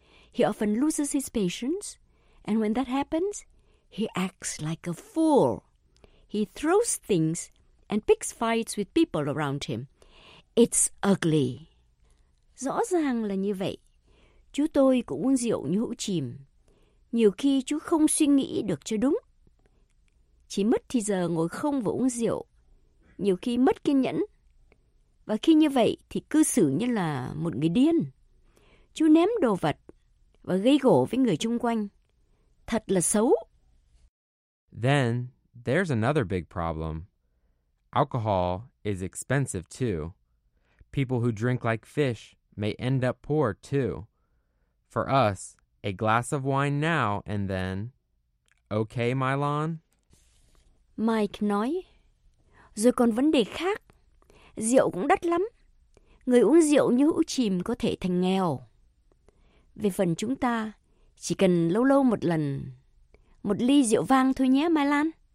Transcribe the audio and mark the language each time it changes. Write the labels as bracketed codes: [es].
[en] He often loses his patience, and when that happens, he acts like a fool. He throws things and picks fights with people around him. It's ugly. [vi] Rõ ràng là như vậy. Chú tôi cũng uống rượu như hũ chìm. Nhiều khi chú không suy nghĩ được cho đúng. Chỉ mất thì giờ ngồi không và uống rượu. Nhiều khi mất kiên nhẫn. Và khi như vậy thì cư xử như là một người điên. Chú ném đồ vật và gây gổ với người chung quanh. Thật là xấu. [en] Then, there's another big problem. Alcohol is expensive too. People who drink like fish may end up poor too. For us, a glass of wine now and then. Okay, Mylon? [vi] Mike nói, rồi còn vấn đề khác. Rượu cũng đắt lắm. Người uống rượu như hũ chìm có thể thành nghèo. về phần chúng ta, chỉ cần lâu lâu một lần, một ly rượu vang thôi nhé, Mylan.